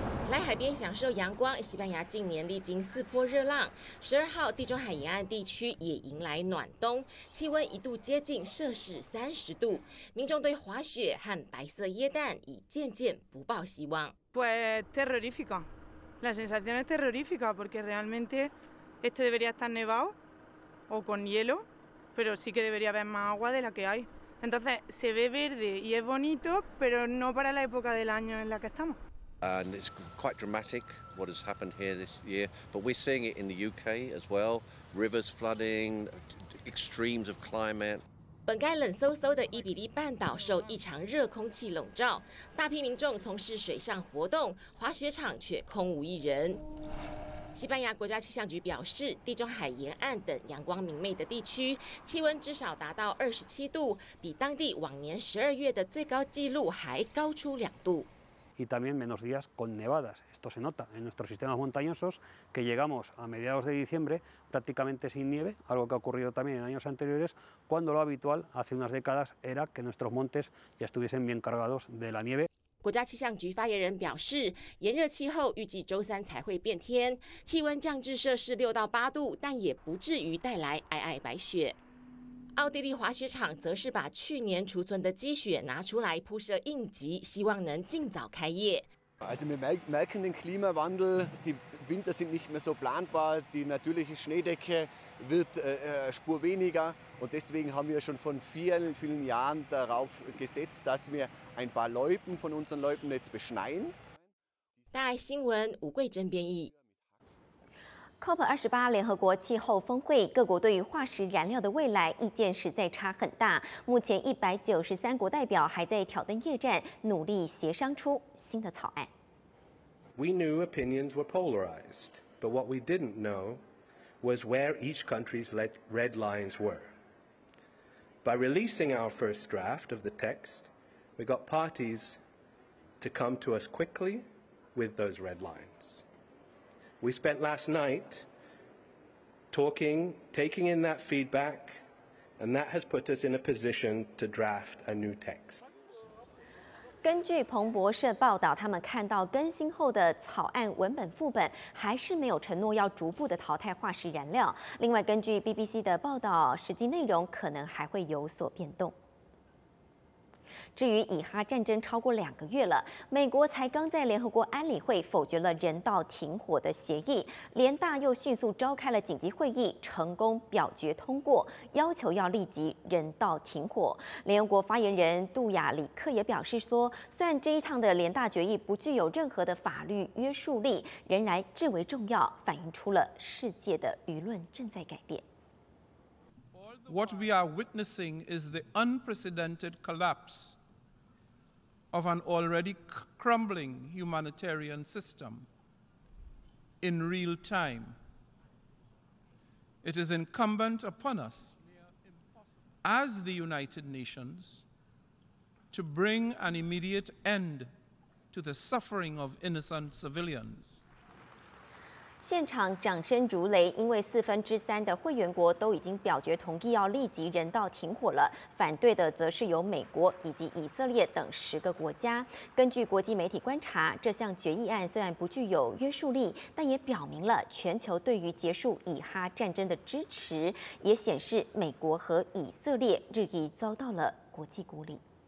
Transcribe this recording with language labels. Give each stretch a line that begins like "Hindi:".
Chinese: 来海边享受阳光，西班牙近年历经四波热浪，12号地中海沿岸地区也迎来暖冬，气温一度接近摄氏30度，民众对滑雪和白色耶诞已渐渐不抱希望。
Spanish: Pues terrorífico, la sensación es terrorífica porque realmente esto debería estar nevado o con hielo, pero sí que debería haber más agua de la que hay. Entonces se ve verde y es bonito, pero no para la época del año en la que estamos.
English: And it's quite dramatic what has happened here this year, but we're seeing it in the UK as well. Rivers flooding, extremes of climate.
Chinese: 本该冷飕飕的伊比利半岛受异常热空气笼罩，大批民众从事水上活动，滑雪场却空无一人。西班牙国家气象局表示，地中海沿岸等阳光明媚的地区，气温至少达到27度，比当地往年12月的最高纪录还高出2度。
Spanish: Y también menos días con nevadas. Esto se nota en nuestros sistemas montañosos, que llegamos a mediados de diciembre prácticamente sin nieve, algo que ha ocurrido también en años anteriores, cuando lo habitual hace unas décadas era que nuestros montes ya estuviesen bien cargados de la nieve.
Chinese: 国家气象局发言人表示，炎热气候预计周三才会变天，气温降至摄氏6到8度，但也不至于带来皑皑白雪。奥地利滑雪场则是把去年储存的积雪拿出来铺设应急，希望能尽早开业。
German: Also wir merken den Klimawandel, die Winter sind nicht mehr so planbar, die natürliche Schneedecke wird spur weniger und deswegen haben wir schon von vielen Jahren darauf gesetzt, dass wir ein paar Loipen von unseren Loipen jetzt beschneien.
Chinese: 大爱新闻吴桂珍编译。 COP28 联合国气候峰会，各国对于化石燃料的未来意见实在差很大。目前193国代表还在挑灯夜战，努力协商出新的草案。
English: We knew opinions were polarized, but what we didn't know was where each country's red lines were. By releasing our first draft of the text, we got parties to come to us quickly with those red lines. We spent last night talking, taking in that feedback, and that has put us in a position to draft a new text.
Chinese: 根据彭博社报道，他们看到更新后的草案文本副本还是没有承诺要逐步的淘汰化石燃料。另外，根据 BBC 的报道，实际内容可能还会有所变动。至于以哈战争超过2个月了，美国才刚在联合国安理会否决了人道停火的协议，联大又迅速召开了紧急会议，成功表决通过，要求要立即人道停火。联合国发言人杜亚里克也表示说，虽然这一趟的联大决议不具有任何的法律约束力，仍然至为重要，反映出了世界的舆论正在改变。
English: What we are witnessing is the unprecedented collapse of an already crumbling humanitarian system in real time. It is incumbent upon us as the United Nations to bring an immediate end to the suffering of innocent civilians.
Chinese: 现场掌声如雷，因为1/4的会员国都已经表决同意要立即人道停火了，反对的则是由美国以及以色列等10个国家。根据国际媒体观察，这项决议案虽然不具有约束力，但也表明了全球对于结束以哈战争的支持，也显示美国和以色列日益遭到了国际孤立。